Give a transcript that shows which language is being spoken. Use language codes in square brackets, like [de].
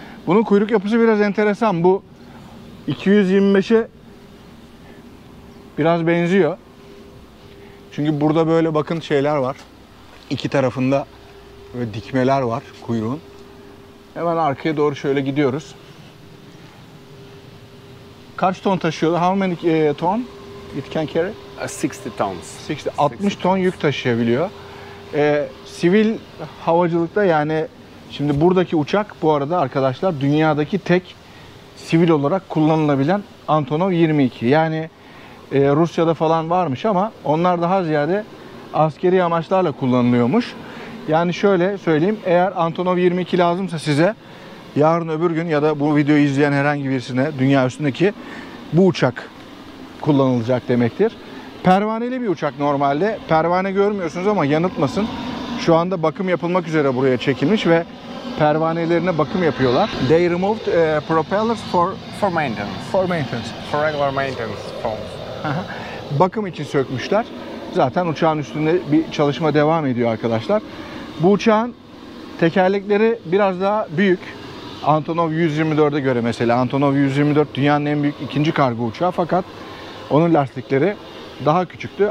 [tr] Bunun kuyruk yapısı biraz enteresan. Bu 225'e biraz benziyor. Çünkü burada böyle bakın şeyler var. İki tarafında böyle dikmeler var kuyruğun. Hemen arkaya doğru şöyle gidiyoruz. Kaç ton taşıyordu? [en] How many ton it can carry? 60 tons. [tr] 60 ton yük taşıyabiliyor. Sivil havacılıkta, yani şimdi buradaki uçak bu arada arkadaşlar dünyadaki tek sivil olarak kullanılabilen Antonov 22. Yani Rusya'da falan varmış ama onlar daha ziyade askeri amaçlarla kullanılıyormuş. Yani şöyle söyleyeyim, eğer Antonov 22 lazımsa size, yarın öbür gün ya da bu videoyu izleyen herhangi birisine, dünya üstündeki, bu uçak kullanılacak demektir. Pervaneli bir uçak normalde. Pervane görmüyorsunuz ama yanıltmasın. Şu anda bakım yapılmak üzere buraya çekilmiş ve pervanelerine bakım yapıyorlar. [en] They removed propellers for maintenance. For maintenance. For regular maintenance phones. [tr] Bakım için sökmüşler. Zaten uçağın üstünde bir çalışma devam ediyor arkadaşlar. Bu uçağın tekerlekleri biraz daha büyük. Antonov 124'e göre mesela. Antonov 124 dünyanın en büyük ikinci kargo uçağı, fakat onun lastikleri daha küçüktü.